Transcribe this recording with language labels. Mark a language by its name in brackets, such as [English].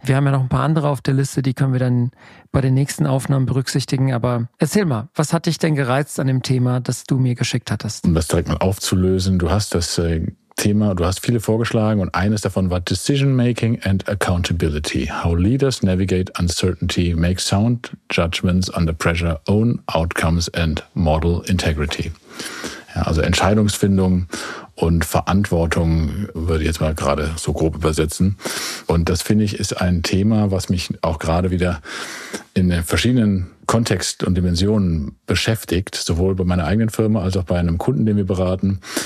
[German] Wir haben ja noch ein paar andere auf der Liste, die können wir dann bei den nächsten Aufnahmen berücksichtigen. Aber erzähl mal, was hat dich denn gereizt an dem Thema, das du mir geschickt hattest? Um das direkt mal aufzulösen, du hast das Thema, du hast viele vorgeschlagen und eines davon war [English] Decision Making and Accountability. How leaders navigate uncertainty, make sound judgments under pressure, own outcomes and model integrity. [German] Ja, also Entscheidungsfindung und Verantwortung, würde ich jetzt mal gerade so grob übersetzen. Und das, finde ich, ist ein Thema, was mich auch gerade wieder in verschiedenen Kontext und Dimensionen beschäftigt, sowohl bei meiner eigenen Firma als auch bei einem Kunden, den wir beraten.